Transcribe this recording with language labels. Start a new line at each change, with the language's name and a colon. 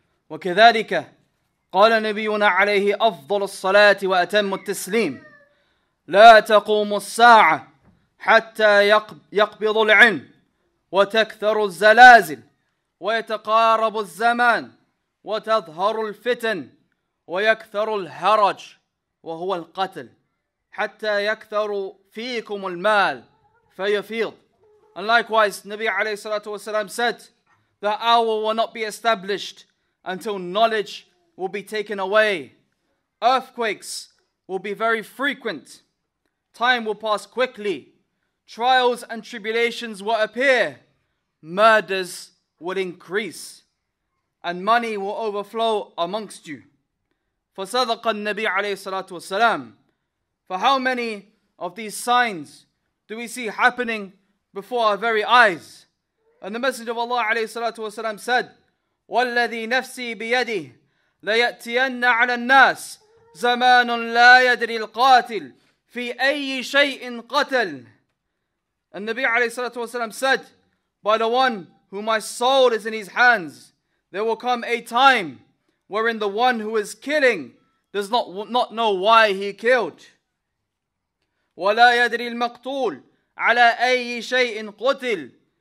Arabic: وكذلك قال نبينا عليه أفضل الصلاة وأتم التسليم لا تقوم الساعة حتى يقبض العلم وتكثر الزلازل ويتقارب الزمان وتظهر الفتن ويكثر الهرج وهو القتل حتى يكثر فيكم المال فيفيض.
English: And likewise, Nabi alayhi salatu wasalam said, the hour will not be established until knowledge will be taken away. Earthquakes will be very frequent. Time will pass quickly. Trials and tribulations will appear. Murders will increase. And money will overflow amongst you.
Arabic: فصدق النبي عليه الصلاة والسلام.
English: For how many of these signs do we see happening before our very eyes? And the Messenger of Allah
Arabic: عليه الصلاة والسلام
English: said,
Arabic: والذي نفسي بيده ليأتين على الناس زمان لا يدري القاتل في أي شيء قتل.
English: And
Arabic: النبي عليه الصلاة والسلام
English: said, by the one who my soul is in his hands, there will come a time wherein the one who is killing does not know why he killed.
Arabic: وَلَا يَدْرِي الْمَقْتُولُ عَلَىٰ أَيِّ شَيْءٍ قُتِلْ.